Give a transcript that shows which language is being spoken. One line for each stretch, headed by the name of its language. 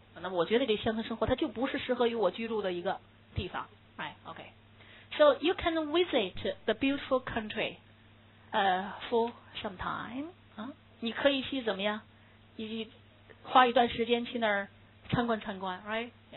Chinese: 那我觉得这乡村生活它就不是适合于我居住的一个地方。
English: Right, okay. So you can visit the beautiful country for some time.
Chinese: 你可以去怎么样？你花一段时间去那儿参观参观 ，right?